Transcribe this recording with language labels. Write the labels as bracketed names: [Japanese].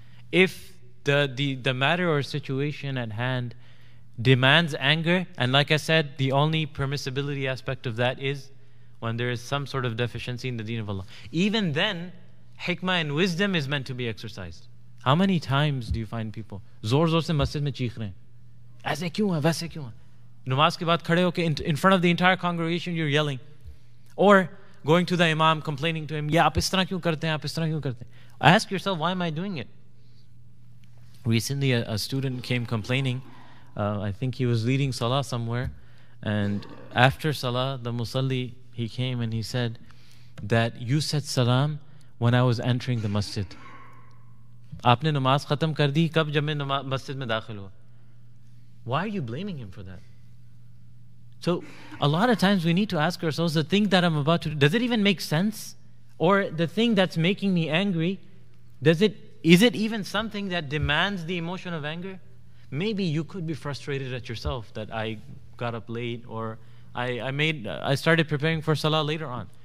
[English] If the matter or situation at hand demands anger, and like I said, the only permissibility aspect of that is when there is some sort of deficiency in the deen of Allah. Even then, hikmah and wisdom is meant to be exercised. How many times do you find people [Urdu] زور زور سے مسجد میں چیخ رہے ہیں? ایسے کیوں ہے? ویسے کیوں ہے? نماز کے بعد کھڑے ہوکے [English] in front of the entire congregation, you're yelling. Or going to the imam, complaining to him, yeah, [Urdu] آپ اس طرح کیوں کرتے ہیں, آپ اس طرح کیوں کرتے ہیں. [English] Ask yourself, why am I doing it? Recently, a student came complaining. I think he was leading salah somewhere. And after salah, the musalli, he came and he said that you said salam when I was entering the masjid. [Urdu] آپنے نماز ختم کر دی کب جب میں مسجد میں داخل ہوا. [English] Why are you blaming him for that? So a lot of times we need to ask ourselves, the thing that I'm about to do, does it even make sense? Or the thing that's making me angry, is it even something that demands the emotion of anger? Maybe you could be frustrated at yourself that I got up late, or I started preparing for salah later on.